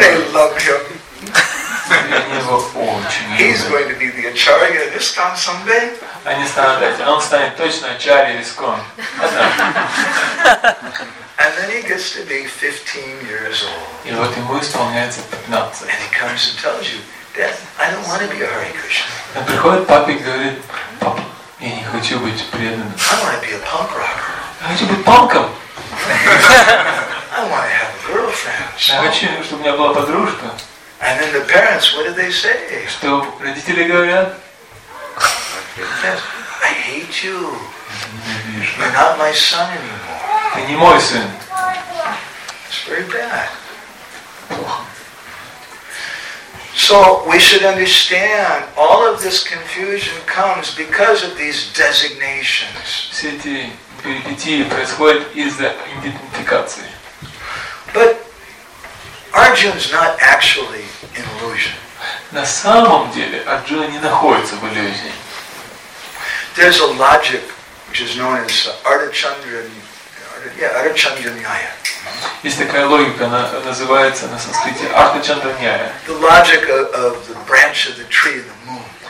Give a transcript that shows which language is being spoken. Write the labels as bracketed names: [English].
[English] And they love him. He's going to be the Acharya of ISKCON someday. [Russian] Они станут этим. Он станет точно Ачарья ISKCON. [English] And then he gets to be 15 years old. [Russian] И вот ему исполняется 15. [English] And he comes and tells you, Dad, I don't want to be a Hare Krishna. [Russian] Он приходит папе и говорит, папа, я не хочу быть преданным. [English] I want to be a punk rocker. [Russian] Я хочу быть панком. [English] I want to have a girlfriend. [Russian] Я хочу, чтобы у меня была подружка. [English] And then the parents, what did they say? [Russian] Что родители говорят? [English] I hate you. [Russian] Ненавижу. [English] You're not my son anymore. [Russian] Ты не мой сын. [English] It's very bad. [Russian] Плохо. [English] So we should understand all of this confusion comes because of these designations. [Russian] Все эти перипетии происходят из-за идентификации. [English] But Arjuna's not actually in illusion. [Russian] На самом деле Арджуна не находится в иллюзии. [English] There's a logic which is known as Ardachandra-nyaya. [Russian] Есть такая логика, она называется на санскрите Ардачандра-ньяя. [English] The logic of the branch of the tree and the moon.